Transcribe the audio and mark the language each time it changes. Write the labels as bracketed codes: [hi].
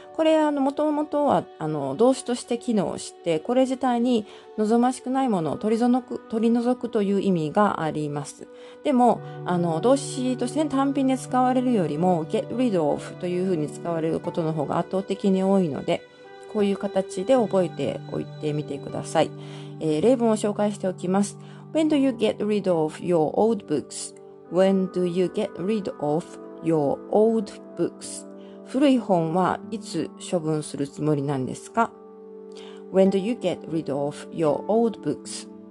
[ja] これもともとは動詞として機能して、これ自体に望ましくないものを取り除くという意味があります。でも、動詞として単品で使われるよりも、get rid of というふうに使われることの方が圧倒的に多いので、こういう形で覚えておいてみてください。例文を紹介しておきます。 [en] When do you get rid of your old books? When do you get rid of your old books? [ja] 古い本はいつ処分するつもりなんですか? [en] When do you get rid of your old books?